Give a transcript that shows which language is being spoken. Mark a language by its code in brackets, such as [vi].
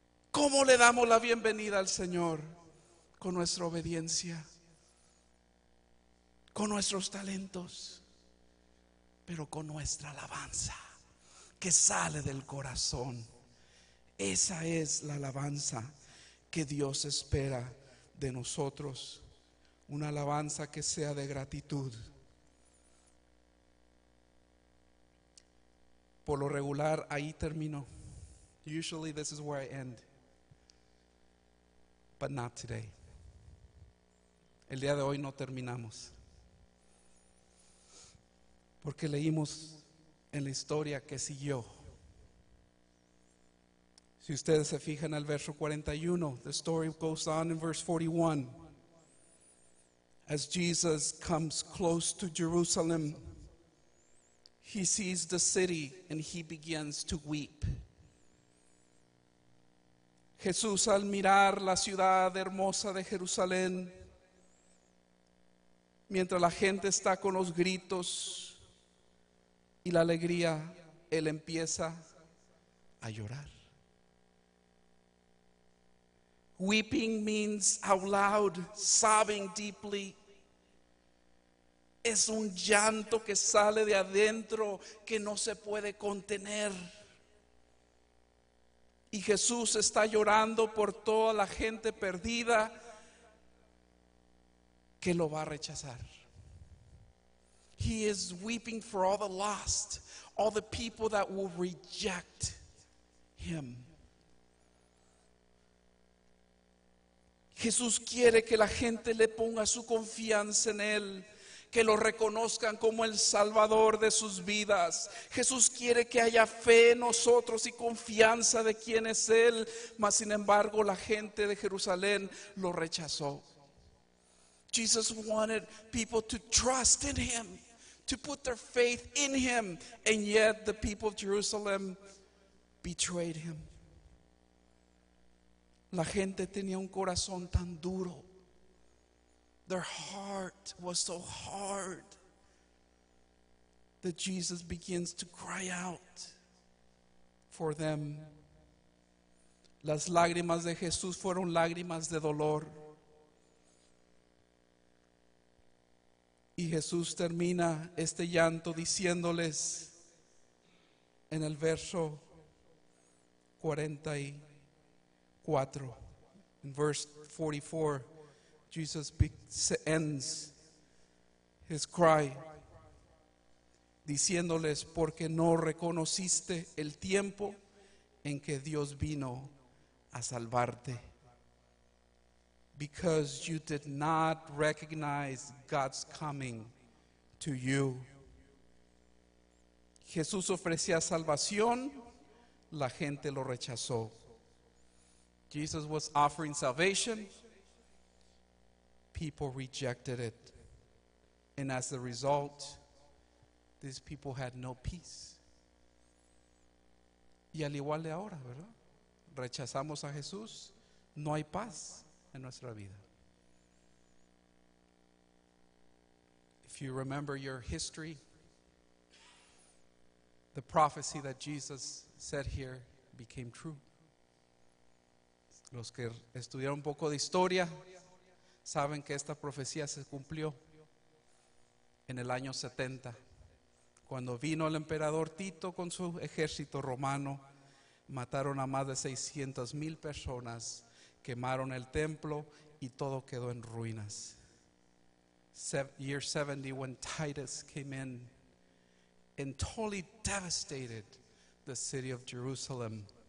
[es] ¿Cómo le damos la bienvenida al Señor? Con nuestra obediencia, con nuestros talentos, pero con nuestra alabanza que sale del corazón. Esa es la alabanza que Dios espera de nosotros, una alabanza que sea de gratitud. Por lo regular, ahí termino. [en] Usually this is where I end, but not today. [es] El día de hoy no terminamos, porque leímos en la historia que siguió. Si ustedes se fijan en el verso 41, [en] the story goes on in verse 41. As Jesus comes close to Jerusalem, he sees the city and he begins to weep. [es] Jesús, al mirar la ciudad hermosa de Jerusalén, mientras la gente está con los gritos y la alegría, él empieza a llorar. [en] Weeping means out loud, sobbing deeply. [es] Es un llanto que sale de adentro, que no se puede contener. Y Jesús está llorando por toda la gente perdida que lo va a rechazar. [en] He is weeping for all the lost, all the people that will reject him. [es] Jesús quiere que la gente le ponga su confianza en él, que lo reconozcan como el salvador de sus vidas. Jesús quiere que haya fe en nosotros y confianza de quién es él, mas sin embargo la gente de Jerusalén lo rechazó. [en] Jesus wanted people to trust in him, to put their faith in him, and yet the people of Jerusalem betrayed him. [es] La gente tenía un corazón tan duro. [en] Their heart was so hard that Jesus begins to cry out for them. [es] Las lágrimas de Jesús fueron lágrimas de dolor. Y Jesús termina este llanto diciéndoles en el verso 44. [en] In verse 44, Jesus ends his cry, [es] diciéndoles, porque no reconociste el tiempo en que Dios vino a salvarte. [en] Because you did not recognize God's coming to you. [es] Jesús ofrecía salvación, la gente lo rechazó. [en] Jesus was offering salvation, people rejected it, and as a result, these people had no peace. [es] Y al igual de ahora, ¿verdad? Rechazamos a Jesús, no hay paz en nuestra vida. [en] If you remember your history, the prophecy that Jesus said here became true. [es] Los que estudiaron un poco de historia saben que esta profecía se cumplió en el año 70, cuando vino el emperador Tito con su ejército romano, mataron a más de 600 mil personas, quemaron el templo y todo quedó en ruinas. [en] Year 70, when Titus came in and totally devastated the city of Jerusalem.